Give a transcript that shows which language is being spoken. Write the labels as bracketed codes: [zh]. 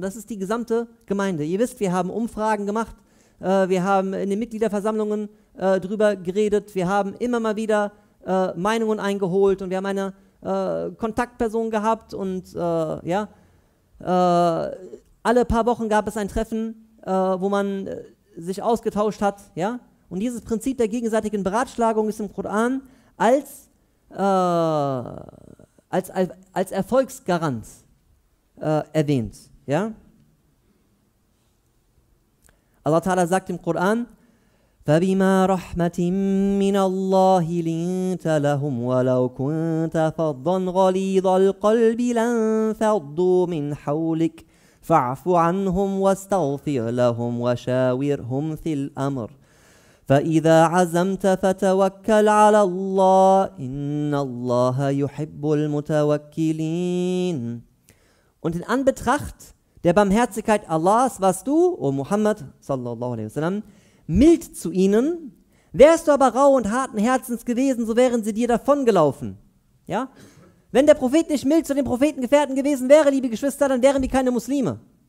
[de] Und das ist die gesamte Gemeinde. Ihr wisst, wir haben Umfragen gemacht, wir haben in den Mitgliederversammlungen drüber geredet, wir haben immer mal wieder Meinungen eingeholt und wir haben eine Kontaktperson gehabt und alle paar Wochen gab es ein Treffen, wo man sich ausgetauscht hat. Ja? Und dieses Prinzip der gegenseitigen Beratschlagung ist im Koran als Erfolgsgarant erwähnt. Ja? Allah Ta'ala sagt im Koran, [ar] فَبِمَا رَحْمَةٍ مِّنَ اللَّهِ لِنْتَ لَهُمْ وَلَوْ كُنْتَ فَضًّا غَلِيظَ الْقَلْبِ لَنْفَضُّوا مِنْ حَوْلِكَ فَعْفُ عَنْهُمْ وَاسْتَغْفِرْ لَهُمْ وَشَاوِرْهُمْ فِي الْأَمْرِ فَإِذَا عَزَمْتَ فَتَوَكَّلْ عَلَى اللَّهِ إِنَّ اللَّهَ يُحِبُّ الْمُتَوَكِّلِينَ. [de] Und in Anbetracht der Barmherzigkeit Allahs warst du, O Muhammad, sallallahu alaihi wasallam, mild zu ihnen. Wärst du aber rau und harten Herzens gewesen, so wären sie dir davongelaufen. Ja? Wenn der Prophet nicht mild zu den Prophetengefährten gewesen wäre, liebe Geschwister, dann wären wir keine Muslime.